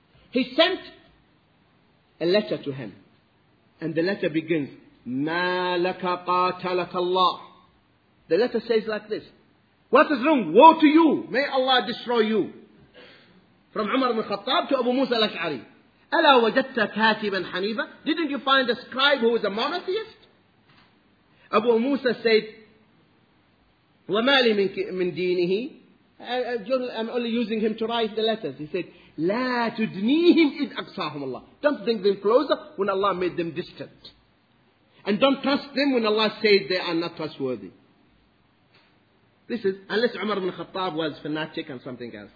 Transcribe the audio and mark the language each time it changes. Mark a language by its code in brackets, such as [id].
[en] He sent a letter to him. And the letter begins, [ar] مَا لَكَ قَاتَلَكَ اللَّهُ. [en] The letter says like this. What is wrong? Woe to you. May Allah destroy you. From Umar ibn Khattab to Abu Musa al-Ash'ari. [ar] أَلَا وَجَدْتَ كَاتِبًا حَنِيفًا. [en] Didn't you find a scribe who is a monotheist? Abu Musa said, [ar] وَمَا لِي مِن دِينِهِ. [en] I'm only using him to write the letters. He said, [ar] لَا تُدْنِيهِمْ إِذْ أَقْصَاهُمُ اللَّهُ. [en] Don't bring them closer when Allah made them distant. And don't trust them when Allah said they are not trustworthy. This is, unless Umar ibn Khattab was fanatic and something else.